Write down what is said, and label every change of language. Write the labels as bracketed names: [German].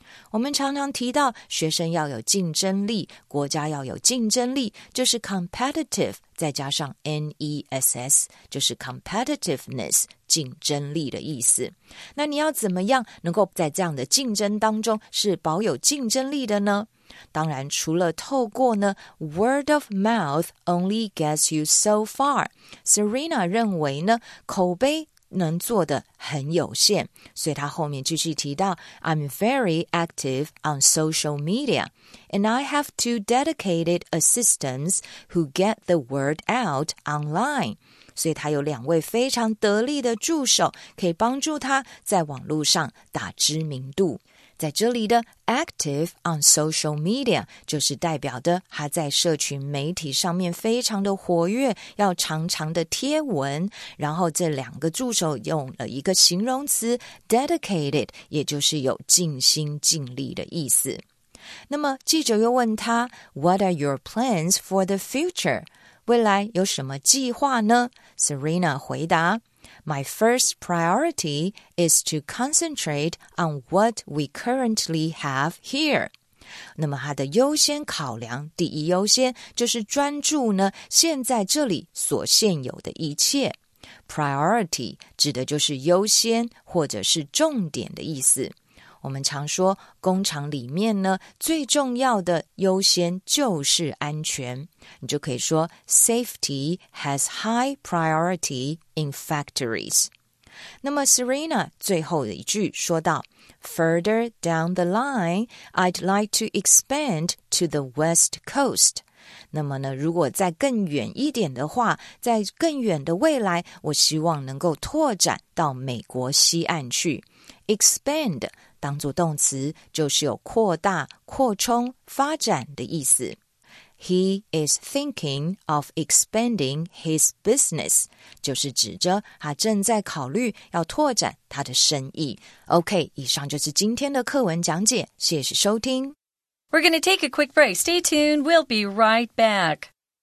[Chinese] 我们常常提到学生要有竞争力，国家要有竞争力，就是 competitive 再加上 ness， 就是 competitiveness 竞争力的意思。那你要怎么样能够在这样的竞争当中是保有竞争力的呢？当然除了透过呢 [English] word of mouth only gets you so far， [Chinese] Serena 认为呢口碑能做得很有限，所以她后面继续提到 [English] I'm very active on social media and I have two dedicated assistants who get the word out online， [Chinese] 所以她有两位非常得力的助手可以帮助她在网络上打知名度。在这里的 [English] active on social media [Chinese] 就是代表的他在社群媒体上面非常的活跃，要常常的贴文。然后这两个助手用了一个形容词 dedicated， 也就是有尽心尽力的意思。那么记者又问他 [English] What are your plans for the future？ [Chinese] 未来有什么计划呢？ [English] Serena 回答My first priority is to concentrate on what we currently have here. [Chinese] 那么他的优先考量，第一优先就是专注呢，现在这里所现有的一切。 Priority 指的就是优先或者是重点的意思。我们常说，工厂里面呢，最重要的优先就是安全。你就可以说 [English] ,safety has high priority in factories. 那么 Serena 最后的一句说到 ,Further down the line, I'd like to expand to the West Coast. [Chinese] 那么呢，如果再更远一点的话，在更远的未来，我希望能够拓展到美国西岸去。 Expand当作动词，就是有扩大、扩充、发展的意思。 [English] He is thinking of expanding his business. [Chinese] 就是指着他正在考虑要拓展他的生意。 OK, 以上就是今天的课文讲解。谢谢收听。 [English] We're going to take a quick break. Stay tuned. We'll be right back.